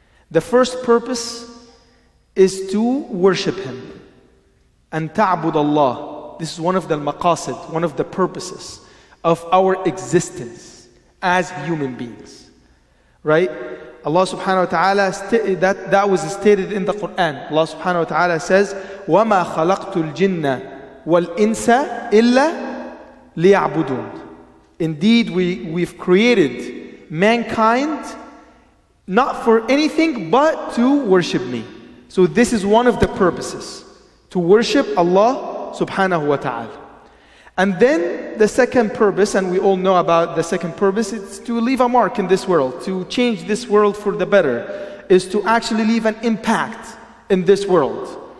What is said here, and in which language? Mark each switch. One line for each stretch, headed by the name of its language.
English: The first purpose is to worship Him. And ta'bud Allah. This is one of the maqasid, one of the purposes of our existence as human beings. Right? Allah subhanahu wa ta'ala, that was stated in the Quran.
Arabic: Allah subhanahu wa ta'ala says, وَمَا خَلَقْتُ الْجِنَّ وَالْإِنسَ إِلَّا لِيَعْبُدُونَ.
English: Indeed, we've created mankind not for anything but to worship me. So this is one of the purposes, to worship Allah subhanahu wa ta'ala. And then the second purpose, and we all know about the second purpose, it's to leave a mark in this world, to change this world for the better, is to actually leave an impact in this world.